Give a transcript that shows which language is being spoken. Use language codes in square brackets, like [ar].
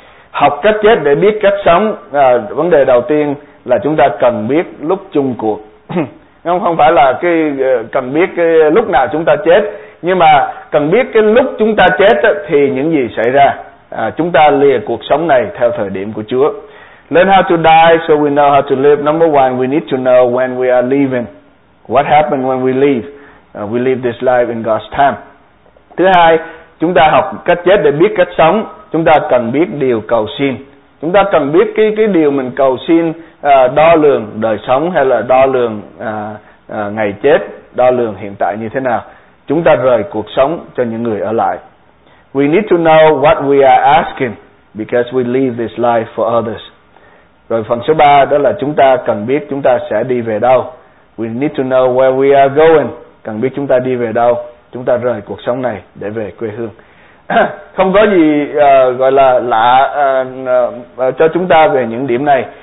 [vi] Học cách chết để biết cách sống, vấn đề đầu tiên là chúng ta cần biết lúc chung cuộc. Không phải là cần biết cái lúc nào chúng ta chết, nhưng mà cần biết cái lúc chúng ta chết á, thì những gì xảy ra. Chúng ta lìa cuộc sống này theo thời điểm của Chúa. [en] Learn how to die so we know how to live. Number one, we need to know when we are leaving. What happened when we leave? We live this life in God's time. [vi] Thứ hai, chúng ta học cách chết để biết cách sống. Chúng ta cần biết điều cầu xin. Chúng ta cần biết cái điều mình cầu xin, đo lường đời sống hay là đo lường ngày chết, đo lường hiện tại như thế nào. Chúng ta rời cuộc sống cho những người ở lại. [en] We need to know what we are asking because we leave this life for others. [vi] Rồi phần số 3 đó là chúng ta cần biết chúng ta sẽ đi về đâu. [en] We need to know where we are going. [vi] Cần biết chúng ta đi về đâu. Chúng ta rời cuộc sống này để về quê hương. không có gì gọi là lạ cho chúng ta về những điểm này.